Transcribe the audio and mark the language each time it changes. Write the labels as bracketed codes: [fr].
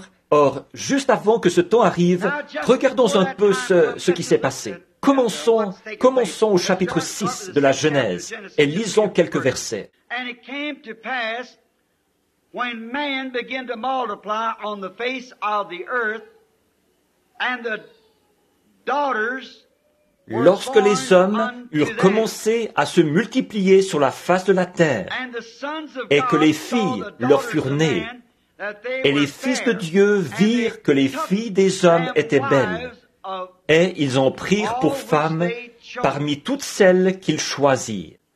[fr] Or, juste avant que ce temps arrive, regardons un peu ce qui s'est passé. Commençons au chapitre 6 de la Genèse et lisons quelques versets. [en] And it came to pass when man began to multiply on the face of the earth and the daughters. [fr] Lorsque les hommes eurent commencé à se multiplier sur la face de la terre, et que les filles leur furent nées, et les fils de Dieu virent que les filles des hommes étaient belles, et ils en prirent pour femmes parmi toutes celles qu'ils choisirent.